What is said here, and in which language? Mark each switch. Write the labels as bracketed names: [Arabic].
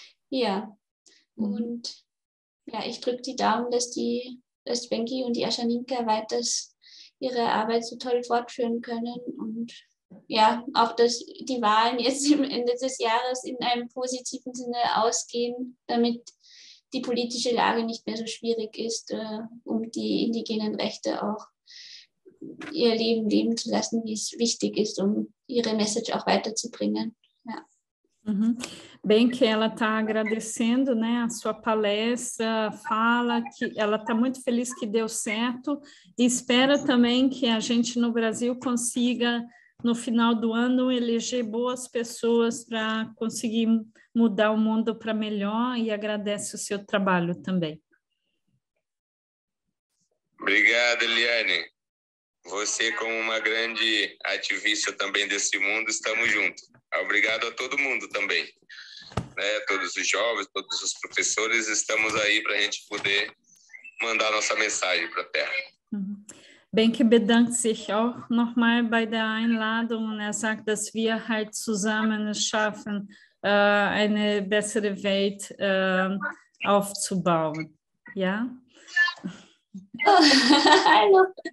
[German] Ja, und ja, ich drücke die Daumen, dass Benki und die Aschaninka weiter ihre Arbeit so toll fortführen können und ja, auch dass die Wahlen jetzt im Ende des Jahres in einem positiven Sinne ausgehen, damit die politische Lage nicht mehr so schwierig ist, um die indigenen Rechte auch ihr Leben leben zu lassen, wie es wichtig ist, um ihre Message auch weiterzubringen. Ja. Mhm. [Portuguese] Bem que ela está agradecendo, né, a sua palestra, fala que ela está muito feliz que deu certo e espera também que a gente no Brasil consiga no final do ano, eleger boas pessoas para conseguir mudar o mundo para melhor e agradece o seu trabalho também. Obrigado, Eliane. Você, como uma grande ativista também desse mundo, estamos juntos. Obrigado a todo mundo também. Né? Todos os jovens, todos os professores, estamos aí para a gente poder mandar nossa mensagem para a Terra. Uhum. [German] Benke bedankt sich auch nochmal bei der Einladung und er sagt, dass wir halt zusammen es schaffen, eine bessere Welt aufzubauen. Ja? Oh, hallo.